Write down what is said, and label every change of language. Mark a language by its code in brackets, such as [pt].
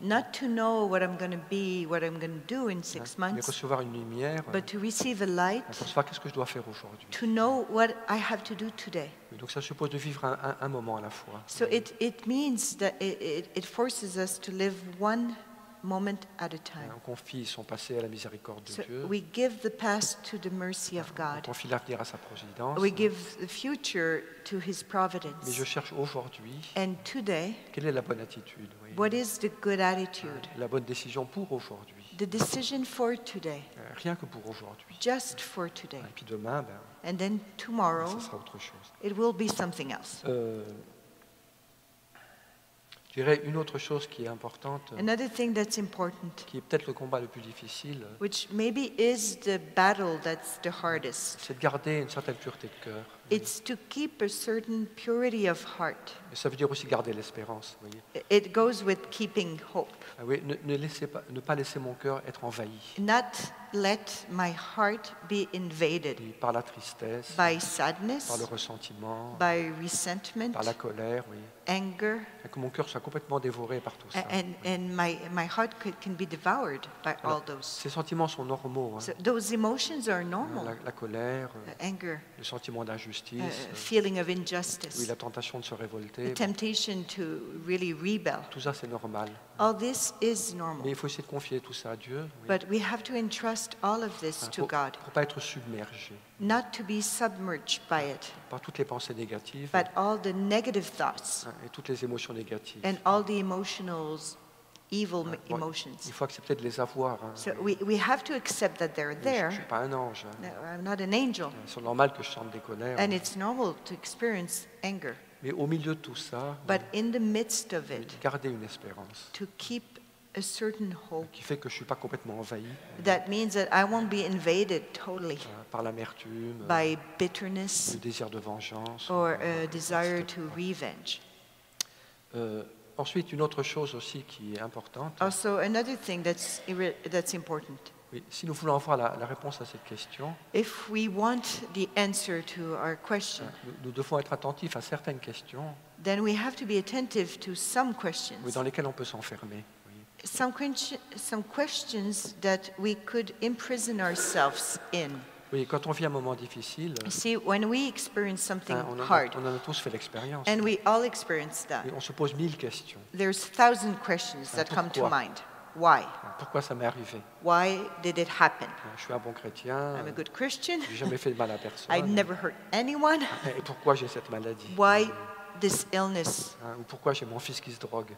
[en] Not to know what I'm going to be, what I'm going to do in 6 months. [fr] Mais recevoir une lumière. [en] But to receive a light. [fr] Pour savoir qu'est-ce que je dois faire aujourd'hui. [en] To know what I have to do today. [fr] Et donc ça suppose de vivre un moment à la fois. [en] So it means that it forces us to live one moment at a time. [fr] On confie son passé à la miséricorde de [en] so [fr] Dieu. [en] We give the past to the mercy of God. [fr] On confie l'avenir à sa providence. [en] We give the future to his providence. [fr] Mais je cherche aujourd'hui. [en] And today. [fr] Quelle est la bonne attitude? [en] What is the good attitude? [fr] La bonne décision pour aujourd'hui. [en] The decision for today. [fr] Rien que pour aujourd'hui. [en] Just for today. [fr] Et puis demain, [en] and then tomorrow. [fr] Ça sera autre chose. [en] It will be something else. [fr] Je dirais une autre chose qui est importante. [en] Another thing that's important. [fr] Qui est peut-être le combat le plus difficile. [en] Which maybe is the battle that's the hardest. [fr] C'est de garder une certaine pureté de cœur. [en] It's to keep a certain purity of heart. [fr] Et ça veut dire aussi garder l'espérance, vous voyez. [en] It goes with keeping hope. [fr] Ah oui, ne pas laisser mon cœur être envahi. [en] Not let my heart be invaded. [fr] Et par la tristesse. [en] By sadness. [fr] Par le ressentiment. [en] By resentment. [fr] Par la colère, oui. [en] Anger. [fr] Et que mon cœur soit complètement dévoré par tout ça. [en] And my heart can be devoured by all those. [fr] Ces sentiments sont normaux. Hein. [en] So those emotions are normal. [fr] La colère. [en] Anger. [fr] Le sentiment d'injustice. d'injustice, [en] feeling of injustice, [fr] oui, la tentation de se révolter, [en] the temptation to really rebel. [fr] Tout ça, c'est normal. [en] All this is normal. [fr] Mais il faut essayer de confier tout ça à Dieu. Oui. [en] But we have to entrust all of this to God. [fr] Pour pas être submergé. [en] Not to be submerged by it. [fr] Par toutes les pensées négatives. [en] But all the negative thoughts. [fr] Et toutes les émotions négatives. [en] And all the emotionals. Evil emotions. [fr] Il faut accepter de les avoir. Hein. [en] So we have to accept that they're there. [fr] Je suis pas un ange. Hein. [en] No, I'm not an angel. [fr] C'est normal que je sente des colères. [en] And it's normal to experience anger. [fr] Mais au milieu de tout ça, [en] but in the midst of it, [fr] garder une espérance. [en] To keep a certain hope. [fr] Qui fait que je suis pas complètement envahi. [en] That means that I won't be invaded totally. [fr] Par l'amertume. [en] By bitterness. [fr] Le désir de vengeance. [en] Or a desire to revenge. [fr] Ensuite, une autre chose aussi qui est importante. [en] Also, another thing that's important. [fr] Oui, si nous voulons avoir la réponse à cette question, [en] if we want the answer to our question, [fr] nous devons être attentifs à certaines questions. [en] Then we have to be attentive to some questions. [fr] Oui, dans lesquelles on peut s'enfermer. Oui. [en] Some questions that we could imprison ourselves in. [fr] Oui, quand on vit un moment difficile, [en] see, when we experience something hard, [fr] on en a tous fait l'expérience. [en] And we all experience that. [fr] Et on se pose mille questions. [en] There's thousand questions that come to mind. Why? [fr] Pourquoi ça m'est arrivé? [en] Why did it happen? [fr] Je suis un bon chrétien. [en] I'm a good Christian. [fr] J'ai jamais fait de mal à personne. [en] I never hurt anyone. [fr] Et pourquoi j'ai cette maladie? [en] Why this illness? [fr] Ou pourquoi j'ai mon fils qui se drogue?